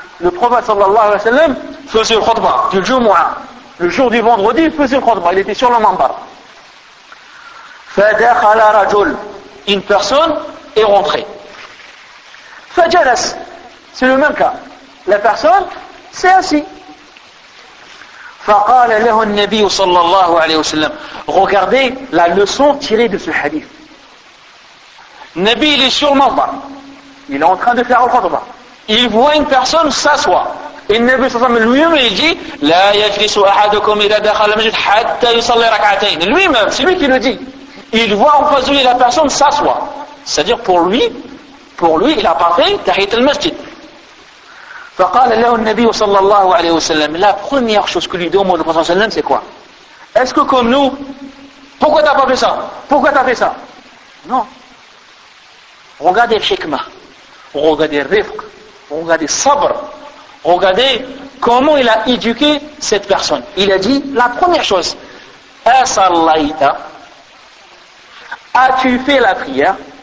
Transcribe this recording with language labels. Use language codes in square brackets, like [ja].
[fr] Le prophète صلى الله عليه وسلم faisait le khutbah du Jumu'ah. Le jour du vendredi, il faisait le khutbah. Il était sur le minbar. [ar] فدخل رجل. [fr] Une personne est rentrée. [ar] فجلس. [fr] C'est le même cas. La personne s'est assise. [ar] فقال له النبي صلى الله عليه وسلم. [fr] Regardez la leçon tirée de ce hadith. Nabi, il est sur le minbar. Il est en train de faire le khutbah. Il voit une personne s'asseoir. Et Nabi صلى الله عليه وسلم lui-même il dit [ar] لا يجلس أحدكم إذا دخل المسجد حتى يصلي ركعتين. [fr] Lui-même, c'est lui qui le dit. Il voit en face de lui la personne s'asseoir. C'est-à-dire pour lui, il a pas fait tahiyyat al-masjid. [ar] فقال له النبي صلى الله عليه وسلم [fr] la première chose que lui demande le prophète صلى الله عليه وسلم c'est quoi? Est-ce que comme nous, pourquoi t'as pas fait ça? Pourquoi t'as fait ça? Non. Regardez le shikma. Regardez le rifq. Regardez le sabr. Regardez comment il a éduqué cette personne. Il a dit la première chose, Asallaita, as-tu fait la prière?